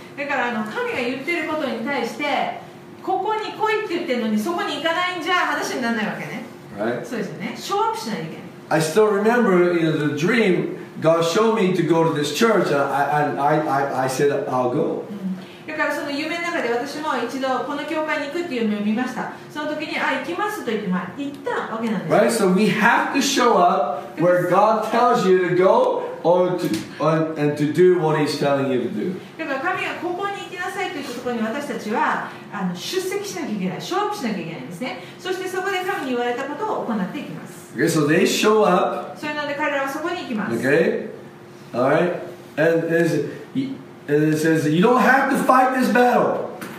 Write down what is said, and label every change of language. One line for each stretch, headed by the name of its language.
Japanese: だから神が言ってることに対して、ここに来いって言ってるのに、そこに行かないんじゃ話にならないわけね。
English: Right?
Japanese: そうですよね。
English: Show up
Japanese: しないといけない。
English: I still remember, the dream, God showed me to go to this church, and I said, I'll go.
Japanese: だからその夢の中で私も一度この教会に行くっていう夢を見ました。その時に、行きますと言って、行ったわけなんです。
English: Right? So we have to show up. Where God tells you to go or to, and to do what He's telling you to do.
Japanese: だから神がここに行きなさいというところに私たちは出席しなきゃいけない、
English: show up
Japanese: しなきゃいけないんですね。そしてそこで神に言われたことを行っていきます。
English: Okay, so they show up. Okay. All right. And it says, you don't have to fight this battle.